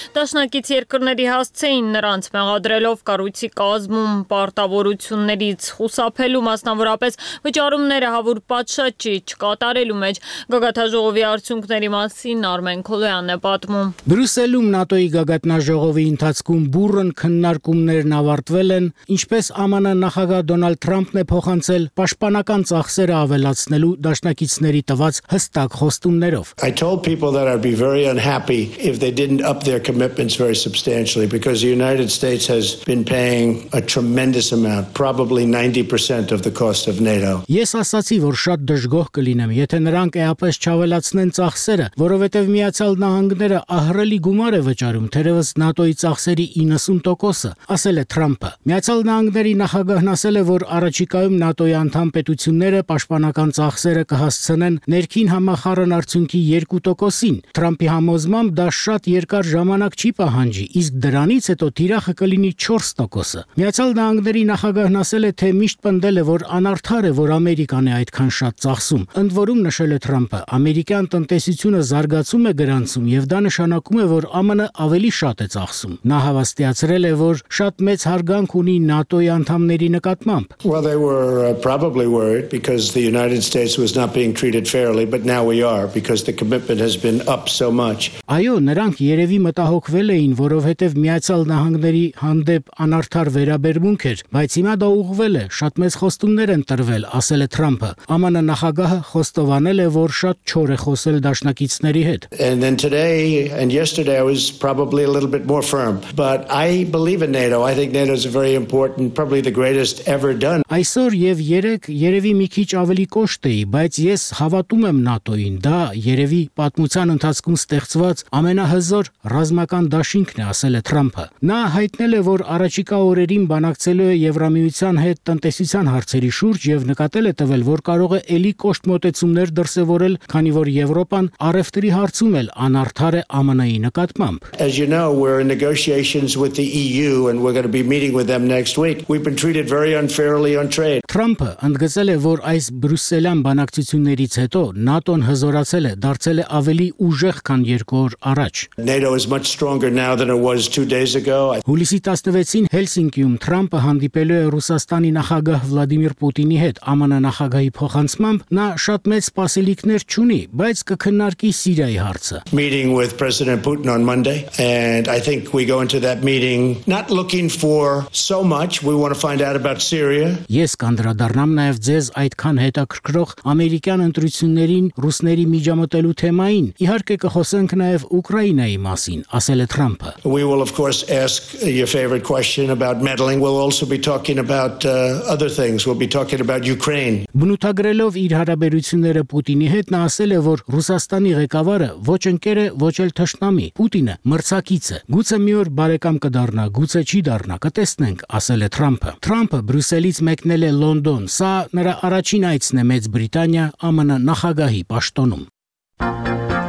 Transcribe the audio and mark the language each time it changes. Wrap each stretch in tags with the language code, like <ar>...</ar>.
<hy>դաշնակից երկրների հասցեին, նրանց մեղադրելով կառույցի կազմում պարտավորություններից խուսափելու մասնավոր որապես վճարումները հավուր պատշաճի չկատարելու մեջ։ Գագաթաժողովի արդյունքների մասին Արմեն Քոլոյանն է պատմում։ Բրյուսելում ՆԱՏՕ-ի գագաթաժողովի ընթացքում բուրըն քննարկումներն ավարտվել են, ինչպես ԱՄՆ նախագահ Դոնալդ Թրամփն է փոխանցել պաշտպանական ծախսերը ավելացնելու դաշնակիցների տված հստակ խոստումներով։</hy> <en>I told people that I'd be very unhappy if they didn't up their commitments very substantially because the United States has been paying a tremendous amount, probably 90% of the cost of NATO.</en> <hy>Ես ասացի, որ շատ դժգոհ կլինեմ, եթե նրանք էապես չավելացնեն ծախսերը, որովհետև Միացյալ Նահանգները ահռելի գումար է վճարում։ հայտարարում, թերևս ՆԱՏՕ-ի ծախսերի 90%-ը, ասել է Թրամփը։ Միացյալ Նահանգների նախագահն ասել է, որ առաջիկայում ՆԱՏՕ-ի անդամ պետությունները պաշտպանական ծախսերը կհասցնեն ներքին համախառն արդյունքի 2%-ին։ Թրամփի համոզմամբ դա շատ երկար ժամանակ չի պահանջի, իսկ դրանից հետո թիրախը կլինի 4%-ը։ Միացյալ Նահանգների նախագահն ասել է, թե միշտ պնդել է, որ անարդար է, որ Ամերիկան է այդքան շատ ծախսում։ Ընդ որում, նշել է Թրամփը, ամերիկյան տնտեսությունը զարգացում է գրանցում և դա նշանակում է, որ ԱՄՆ-ը ավելի շատ է ծախսում։ Նա հավաստիացրել է, որ շատ մեծ հարգանք ունի ՆԱՏՕ-ի անդամների նկատմամբ։</hy> <en>Well, they were probably worried because the United States was not being treated fairly, but now we are because the commitment has been up so much.</en> <hy>Այո, նրանք երևի մտահոգվել էին, որովհետև Միացյալ Նահանգների հանդեպ անարդար վերաբերմունք էր, բայց հիմա դա ուղղվել է, շատ մեծ խոստումներ են տրվել, ասել է Թրամփը։ ԱՄՆ նախագահը խոստովանել է, որ շատ չոր է խոսել դաշնակիցների հետ։</hy> <en>And then today and yesterday I was probably a little bit more firm, but I believe in NATO. I think NATO is a very important, probably the greatest ever done.</en> <hy>Այսօր եւ երեք երևի մի քիչ ավելի կոշտ էի, բայց ես հավատում եմ ՆԱՏՕ-ին, դա երևի պատմության ընթացքում ստեղծված ամենահզոր ռազմական դաշինքն է, ասել է Թրամփը։ Նա հայտնել է, որ առաջիկա օրերին բանակցելու է Եվրամիության հետ տնտեսության հարցերի շուրջ եւ նկատել է տվել, որ կարող է ելի կոշտ մոտեցումներ դրսևորել, քանի որ Եվրոպան առևտրի հարցում էլ անարդար է ԱՄՆ-ի նկատմամբ։</hy> <en>As you know, we're in negotiations with the EU and we're going to be meeting with them next week. We've been treated very unfairly on trade.</en> <hy>Թրամփը ընդգծել է, որ այս բրյուսելյան բանակցություններից հետո ՆԱՏՕ-ն հզորացել է, դարձել է ավելի ուժեղ, քան 2 օր առաջ։</hy> <en>NATO is much stronger now than it was 2 days ago.</en> <hy>Հուլիսի 16-ին Հելսինկիում Թրամփը հանդիպելու է Ռուսաստանի նախագահ Վլադիմիր Պուտինի հետ, ԱՄՆ նախագահի փոխանցմամբ նա շատ մեծ սպասելիքներ չունի, բայց կքննարկի Սիրիայի հարցը։</hy> <en>Meeting with President Putin on Monday, and I think we go into that meeting not looking for so much. We want to find out about Syria.</en> <hy>Ես կանդրադառնամ նաև ձեզ այդքան հետաքրքրող ամերիկյան ընտրություններին ռուսների միջամտելու թեմային։ Իհարկե կխոսենք նաև Ուկրաինայի մասին, ասել է Թրամփը։</hy> <en>We will of course ask your favorite question about meddling. We'll also be talking about other things. We'll be talking about Ukraine.</en> <hy>Բնութագրելով իր հարաբերությունները Պուտինի հետ, նա ասել է, որ Ռուսաստանի ղեկավարը ոչ ընկեր է, ոչ էլ թշնամի։ Պուտինը մրցակից է։ Գուցե մի օր բարեկամ կդառնա, գուցե չի դառնա, կտեսնենք, ասել է Թրամփը։ Թրամփը Բրյուսելից մեկնել է Լոնդոն, սա նրա առաջին այցն է Մեծ Բրիտանիա ԱՄՆ նախագահի պաշտոնում։</hy>